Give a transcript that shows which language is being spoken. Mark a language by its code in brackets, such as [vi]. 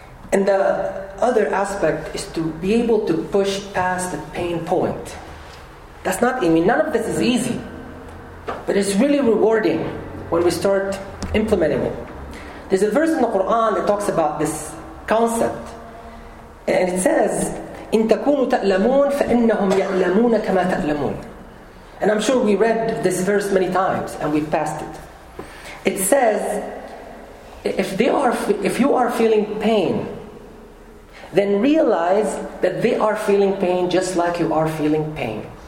[en] And the other aspect is to be able to push past the pain point. That's not easy. None of this is easy. But it's really rewarding when we start implementing it. There's a verse in the Quran that talks about this concept. And it says, [ar] إِن تَكُونُوا تَأْلَمُونَ فَإِنَّهُمْ يَأْلَمُونَ كَمَا تَأْلَمُونَ. [en] And I'm sure we read this verse many times and we passed it. It says, if you are feeling pain, then realize that they are feeling pain just like you are feeling pain.